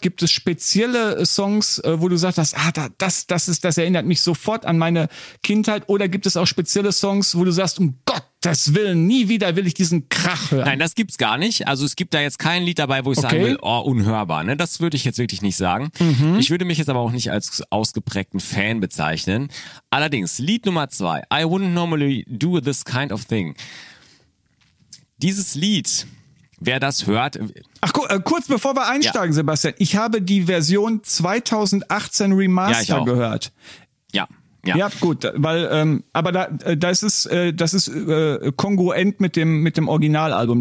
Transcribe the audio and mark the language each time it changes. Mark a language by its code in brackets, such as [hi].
[de] Gibt es spezielle Songs, wo du sagst, das erinnert mich sofort an meine Kindheit? Oder gibt es auch spezielle Songs, wo du sagst, um Gottes Willen, nie wieder will ich diesen Krach hören? Nein, das gibt's gar nicht. Also es gibt da jetzt kein Lied dabei, wo ich sagen will, oh, unhörbar. Ne? Das würde ich jetzt wirklich nicht sagen. Mhm. Ich würde mich jetzt aber auch nicht als ausgeprägten Fan bezeichnen. Allerdings, Lied Nummer 2, [en] I wouldn't normally do this kind of thing. [de] Dieses Lied, wer das hört... Ach, kurz bevor wir einsteigen, Sebastian. Ich habe die Version 2018 Remaster gehört. Ja, gut. Weil, aber das ist kongruent mit dem Originalalbum.